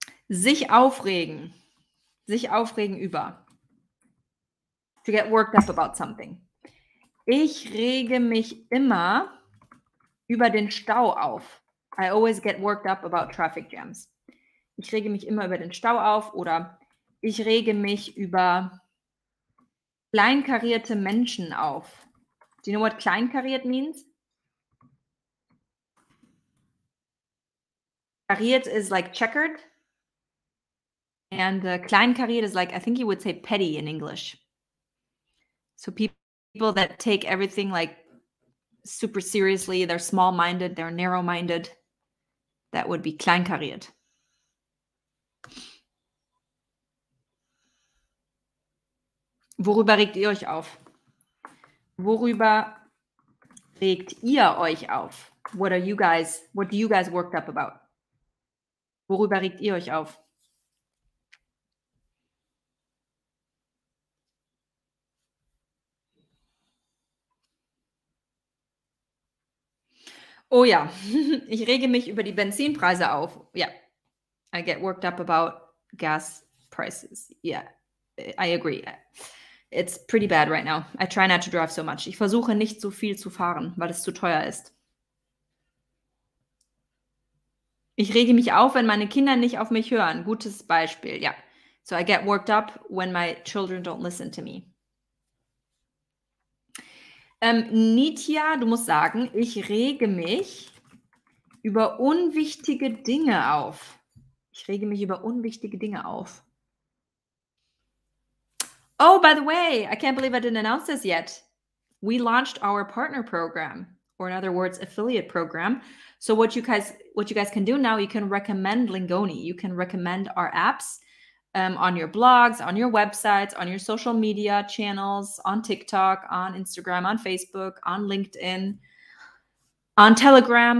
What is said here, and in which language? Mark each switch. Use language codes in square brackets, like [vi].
[de] Sich aufregen über. [en] to get worked up about something. [de] Ich rege mich immer über den Stau auf. [en] I always get worked up about traffic jams. [de] Ich rege mich immer über den Stau auf oder ich rege mich über kleinkarierte Menschen auf. [en] Do you know what kleinkariert means? Kariert is like checkered. And kleinkariert is like, I think you would say petty in English. So people that take everything like super seriously, they're small-minded, they're narrow-minded, that would be kleinkariert. [de] Worüber regt ihr euch auf? Worüber regt ihr euch auf? [en] What are you guys, what do you guys worked up about? [de] Worüber regt ihr euch auf? Oh ja, ich rege mich über die Benzinpreise auf. [en] Yeah, I get worked up about gas prices. Yeah, I agree. It's pretty bad right now. I try not to drive so much. [de] Ich versuche nicht so viel zu fahren, weil es zu teuer ist. Ich rege mich auf, wenn meine Kinder nicht auf mich hören. Gutes Beispiel, ja. [en] So I get worked up when my children don't listen to me. [de] Nitya, du musst sagen, ich rege mich über unwichtige Dinge auf. Ich rege mich über unwichtige Dinge auf. [en] Oh, by the way, I can't believe I didn't announce this yet. We launched our partner program, or in other words, affiliate program. So what you guys can do now, you can recommend Lingoni. You can recommend our apps on your blogs, on your websites, on your social media channels, on TikTok, on Instagram, on Facebook, on LinkedIn, on Telegram.